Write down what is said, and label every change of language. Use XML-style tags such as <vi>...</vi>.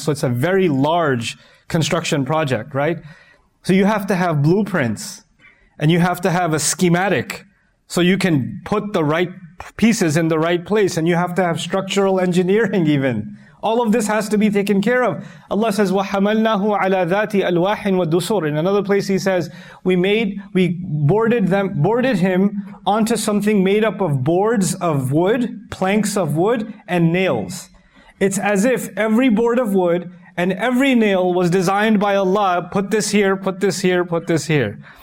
<en>So it's a very large construction project, right? So you have to have blueprints, and you have to have a schematic, so you can put the right pieces in the right place, and you have to have structural engineering even. All of this has to be taken care of. Allah says,</en> <ar>وَحَمَلْنَاهُ عَلَىٰ ذَاتِ أَلْوَاحٍ وَالدُّسُورٍ.</ar> <en>In another place He says, we boarded him onto something made up of boards of wood, planks of wood, and nails. It's as if every board of wood and every nail was designed by Allah, put this here, put this here, put this here.</en>